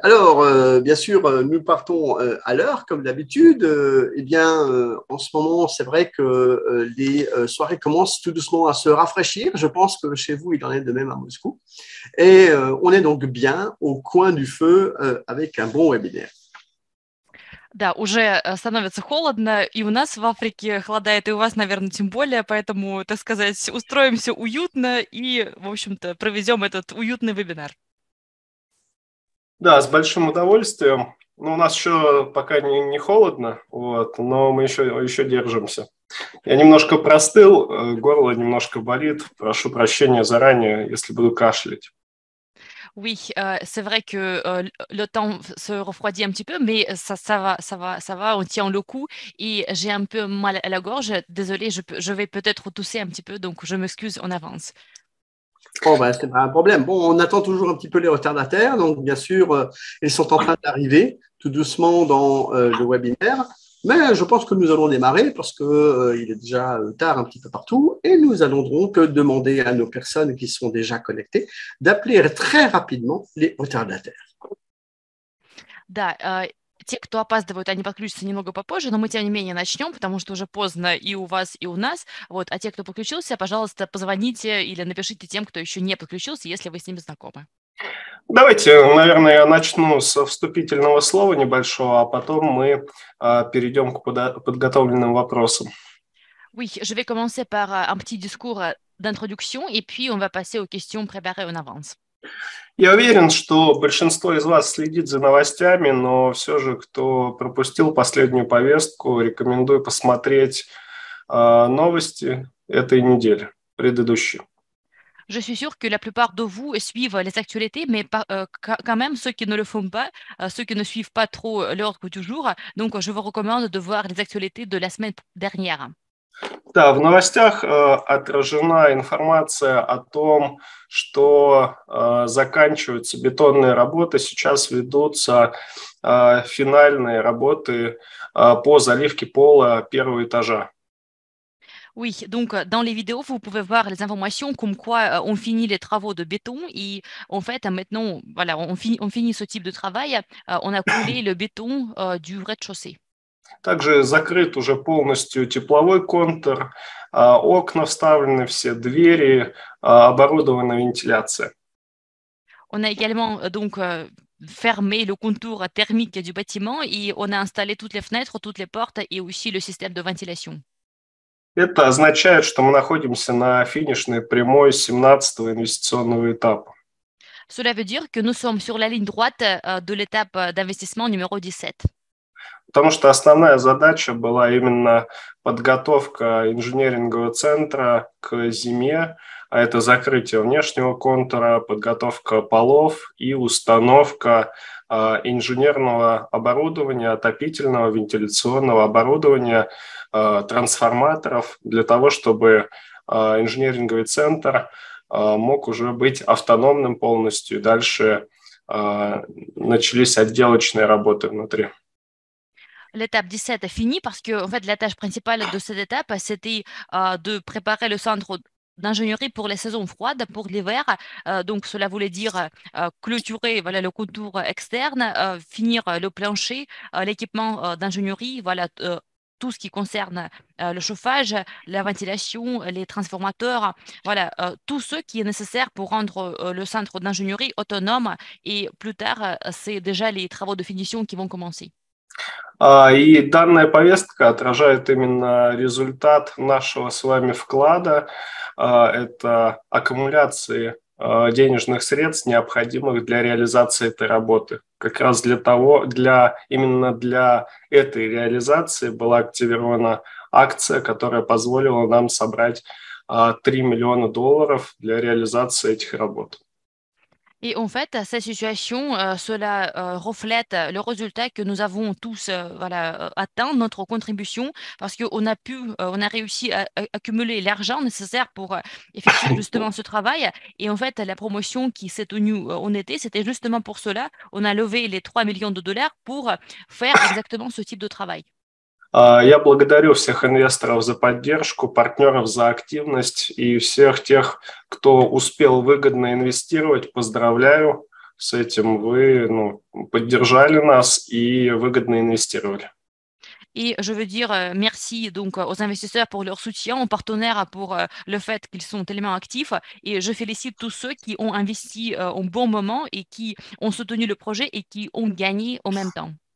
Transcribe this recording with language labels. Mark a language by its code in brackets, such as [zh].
[fr] Alors, bien sûr, nous partons à l'heure, comme d'habitude. Eh bien, en ce moment, c'est vrai que les soirées commencent tout doucement à se rafraîchir. Je pense que chez vous, il en est de même à Moscou. Et on est donc bien au coin du feu avec un bon webinaire. [ru] Да, уже становится холодно, и у нас в Африке холодает, и у вас, наверное, тем более, поэтому, так сказать, устроимся уютно и, в общем-то, проведем этот уютный вебинар. Да, с большим удовольствием. Ну, у нас еще пока не холодно, вот, но мы еще держимся. Я немножко простыл, горло немножко болит. Прошу прощения заранее, если буду кашлять. [fr] Oui, c'est vrai que le temps se refroidit un petit peu, mais ça va, ça va, ça va. On tient le coup et j'ai un peu mal à la gorge. Désolée, je vais peut-être tousser un petit peu, donc je m'excuse en avance. Bon, ben, c'est pas un problème. Bon, on attend toujours un petit peu les retardataires. Donc, bien sûr, ils sont en train d'arriver tout doucement dans le webinaire. Mais je pense que nous allons démarrer parce que il est déjà tard un petit peu partout. Et nous allons donc demander à nos personnes qui sont déjà connectées d'appeler très rapidement les retardataires. [ru] Да, те, кто опаздывают, они подключатся немного попозже, но мы тем не менее начнем, потому что уже поздно и у вас, и у нас. Вот, а те, кто подключился, пожалуйста, позвоните или напишите тем, кто еще не подключился, если вы с ними знакомы. Давайте, наверное, я начну со вступительного слова небольшого, а потом мы перейдем к подготовленным вопросам. [fr] Oui, je vais commencer par un petit discours d'introduction et puis on va passer aux questions préparées en avance. [ru] Я уверен, что большинство из вас следит за новостями, но все же, кто пропустил последнюю повестку, рекомендую посмотреть новости этой недели, предыдущие. [fr] Je suis sûre que la plupart de vous suivent les actualités, mais pas, quand même ceux qui ne le font pas, ceux qui ne suivent pas trop l'ordre du jour. Donc, je vous recommande de voir les actualités de la semaine dernière. [ru] Да, в новостях отражена информация о том, что заканчиваются бетонные работы. Сейчас ведутся финальные работы по заливке пола первого этажа. [fr] Oui, donc dans les vidéos, vous pouvez voir les informations comme quoi on finit les travaux de béton et en fait maintenant, voilà, on finit ce type de travail, on a coulé le béton du rez-de-chaussée. [ru] Также закрыт уже полностью тепловой контур, окна вставлены, все двери, оборудована вентиляция. [fr] On a également donc fermé le contour thermique du bâtiment et on a installé toutes les fenêtres, toutes les portes et aussi le système de ventilation. [ru] Это означает, что мы находимся на финишной прямой 17-го инвестиционного этапа. [fr] Cela veut dire que nous sommes sur la ligne droite de l'étape d'investissement numéro 17. [ru] Потому что основная задача была именно подготовка инжинирингового центра к зиме, а это закрытие внешнего контура, подготовка полов и установка инженерного оборудования, отопительного, вентиляционного оборудования, трансформаторов для того, чтобы инжиниринговый центр мог уже быть автономным полностью. Дальше начались отделочные работы внутри. [fr] L'étape 17 est finie parce que en fait, la tâche principale de cette étape, c'était de préparer le centre d'ingénierie pour les saisons froides, pour l'hiver. Donc, cela voulait dire clôturer voilà, le contour externe, finir le plancher, l'équipement d'ingénierie, voilà, tout ce qui concerne le chauffage, la ventilation, les transformateurs, voilà, tout ce qui est nécessaire pour rendre le centre d'ingénierie autonome. Et plus tard, c'est déjà les travaux de finition qui vont commencer. [ru] И данная повестка отражает именно результат нашего с вами вклада. Это аккумуляции денежных средств, необходимых для реализации этой работы. К как раз для того, именно для этой реализации была активирована акция, которая позволила нам собрать 3 миллиона долларов для реализации этих работ. [fr] Et en fait, cette situation, cela reflète le résultat que nous avons tous voilà, atteint, notre contribution, parce qu'on a pu, on a réussi à accumuler l'argent nécessaire pour effectuer justement ce travail. Et en fait, la promotion qui s'est tenue en été, c'était justement pour cela, on a levé les 3 millions de dollars pour faire exactement ce type de travail. [ru] Я благодарю всех инвесторов за поддержку, партнеров за активность и всех тех, кто успел выгодно инвестировать. Поздравляю с этим. Вы, поддержали нас и выгодно инвестировали. [fr] Et je veux dire merci donc aux investisseurs pour leur soutien, aux partenaires pour le fait qu'ils sont tellement actifs. Et je félicite tous ceux qui ont investi au bon moment et qui ont soutenu le projet et qui ont gagné en même temps.